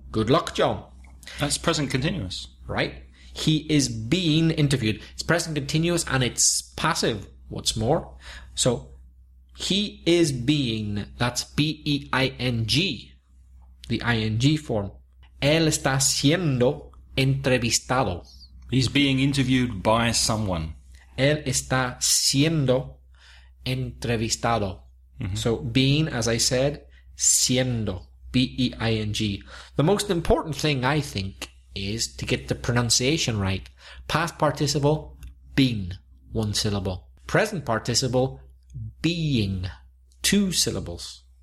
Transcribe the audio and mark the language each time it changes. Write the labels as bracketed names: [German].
[English] Good luck, John. That's present continuous. Right. He is being interviewed. It's present continuous and it's passive, what's more. So, he is being, that's B-E-I-N-G, the I-N-G form. [Spanish] Él está siendo entrevistado. [English] He's being interviewed by someone. [Spanish] Él está siendo entrevistado. Mm-hmm. [English] So, being, as I said, [Spanish] siendo. [English] B-E-I-N-G. The most important thing, I think, is to get the pronunciation right. Past participle, been, one syllable. Present participle, being, two syllables.